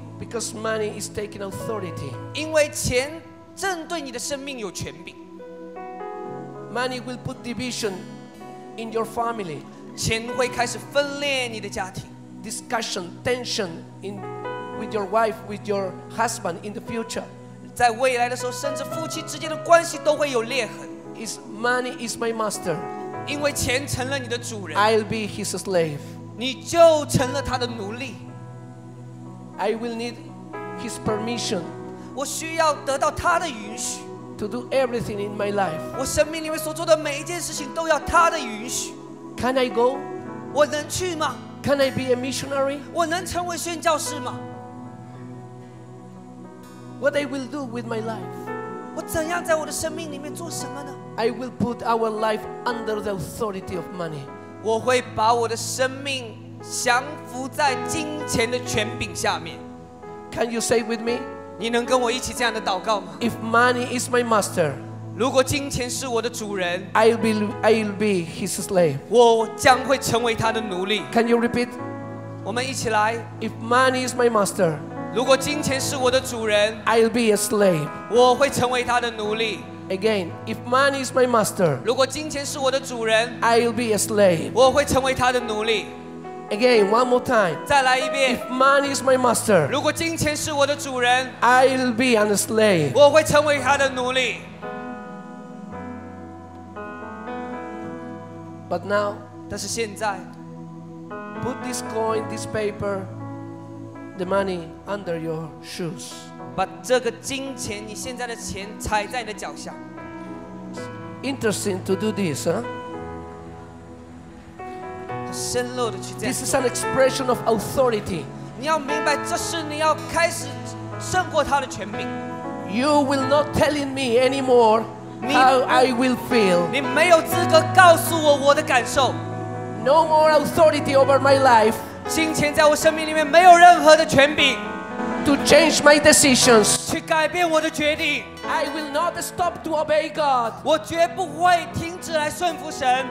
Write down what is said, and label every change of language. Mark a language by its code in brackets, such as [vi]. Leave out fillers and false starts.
[en] Because money is taking authority. [zh] 因为钱正对你的生命有权柄。 [en] Money will put division in your family. [zh] 钱会开始分裂你的家庭 [en] discussion tension in with your wife with your husband in the future [zh] 在未来的时候甚至夫妻之间的关系都会有裂痕 [en] is money is my master [zh] 因为钱成了你的主人 [en] I'll be his slave [zh] 你就成了他的奴隶 [en] I will need his permission [zh] 我需要得到他的允许 [en] to do everything in my life. [zh] 我生命里面所做的每一件事情都要他的允许。 [en] Can I go? [zh] 我能去吗？ [en] Can I be a missionary? [zh] 我能成为宣教士吗？ [en] What I will do with my life? [zh] 我怎样在我的生命里面做什么呢？ [en] I will put our life under the authority of money. [zh] 我会把我的生命降服在金钱的权柄下面。 [en] Can you say with me? [zh] 你能跟我一起这样的祷告吗？ [en] If money is my master, [zh] 如果金钱是我的主人， [en] I'll be his slave. [zh] 我将会成为他的奴隶。 [en] Can you repeat? [zh] 我们一起来。 [en] If money is my master, [zh] 如果金钱是我的主人， [en] I'll be a slave. [zh] 我会成为他的奴隶。 [en] Again, if money is my master, [zh] 如果金钱是我的主人， [en] I'll be a slave. [zh] 我会成为他的奴隶。 [en] Again, one more time. [zh] 再来一遍。 [en] If money is my master, [zh] 如果金钱是我的主人， [en] I'll be a slave. [zh] 我会成为他的奴隶。 [en] But now, [zh] 但是现在， [en] put this coin, this paper, the money under your shoes. [zh] 把这个金钱，你现在的钱踩在你的脚下。 [en] Interesting to do this, huh? [zh] 深入的去这样做。 [en] This is an expression of authority. [zh] 你要明白，这是你要开始胜过他的权柄。 [en] You will not telling me anymore how I will feel. [zh] 你没有资格告诉我我的感受。 [en] No more authority over my life. [zh] 金钱在我生命里面没有任何的权柄。 [en] To change my decisions. [zh] 去改变我的决定。 [en] I will not stop to obey God. [zh] 我绝不会停止来顺服神。